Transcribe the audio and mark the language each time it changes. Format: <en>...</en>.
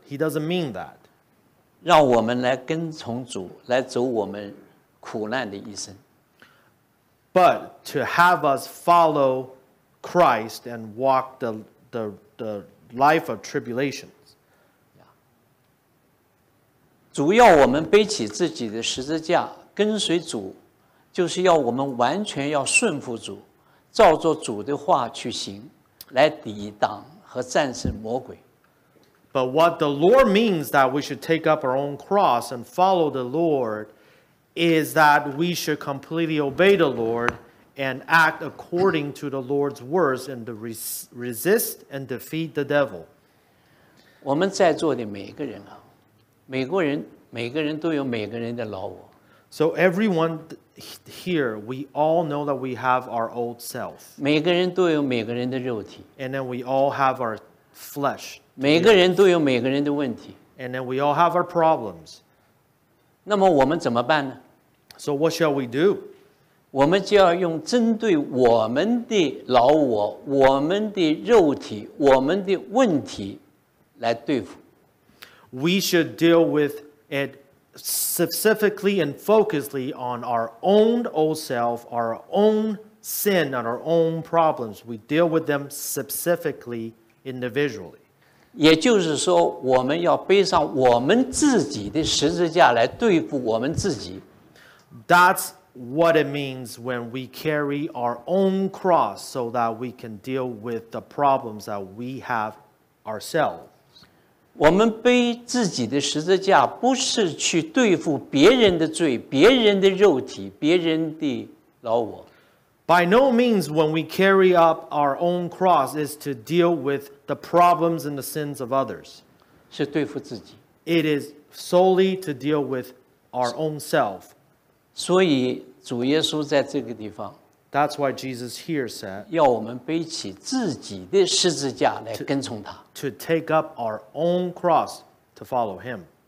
<en>He doesn't mean that.</en> <zh>让我们来跟从主，来走我们苦难的一生。</zh> <en>But to have us follow Christ and walk the life of tribulations.</en> <zh>主要我们背起自己的十字架，跟随主。就是要我们完全要顺服主，照着主的话去行，来抵挡和战胜魔鬼。</zh> <en>But what the Lord means that we should take up our own cross and follow the Lord is that we should completely obey the Lord and act according to the Lord's words and to resist and defeat the devil.</en> <zh>我们在座的每个人啊，每个人每个人都有每个人的老我。</zh> <en>So everyone here, we all know that we have our old self.</en> <zh>每个人都有每个人的肉体。</zh> <en>And then we all have our flesh.</en> <zh>每个人都有每个人的问题。</zh> <en>And then we all have our problems.</en> <zh>那么我们怎么办呢？</zh> <en>So what shall we do?</en> <zh>我们就要用针对我们的老我，我们的肉体，我们的问题来对付。</zh> <en>We should deal with it specifically and focusedly on our own old self, our own sin, and our own problems. We deal with them specifically, individually.</en> <zh>也就是说我们要背上我们自己的十字架来对付我们自己。</zh> <en>That's what it means when we carry our own cross so that we can deal with the problems that we have ourselves.</en> <zh>我们背自己的十字架不是去对付别人的罪、别人的肉体、别人的老我。</zh> <en>By no means when we carry up our own cross is to deal with the problems and the sins of others.</en> <zh>是对付自己。</zh> <en>It is solely to deal with our own self.</en> <zh>所以主耶稣在这个地方</zh> <en>That's why Jesus here said</en> <zh>要我们背起自己的十字架来跟从他</zh> <en>to take up our own cross to follow him.</en>